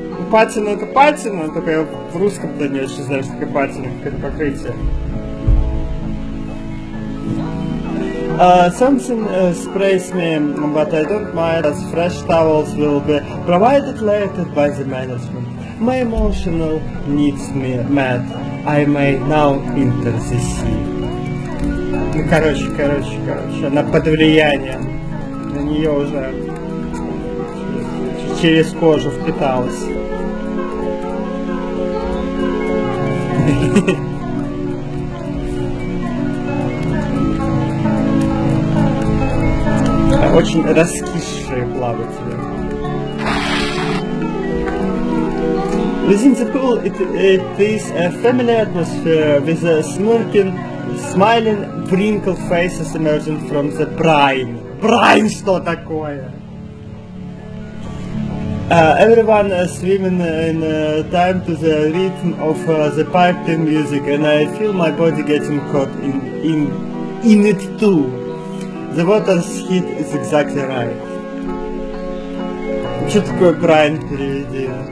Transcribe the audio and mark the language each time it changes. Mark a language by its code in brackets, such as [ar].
[ru] Патина — это патина, только я в русском да не очень знаю, что такое патина, какое-то покрытие. [en] Something sprays me, but I don't mind, as fresh towels will be provided later by the management. My emotional needs me met. I may now enter the sea. [ru] Ну, короче, она под влиянием. На нее уже через кожу впиталась. Очень раскисшие плаватели. [en] Within the pool it is a familiar atmosphere with a smiling wrinkled faces emerging from the brine. [ru] Brine, что такое? [en] Everyone swimming in time to the rhythm of the piping music, and I feel my body getting caught in it too. The water's heat is exactly right. [ru] Что такое Брайан переведи?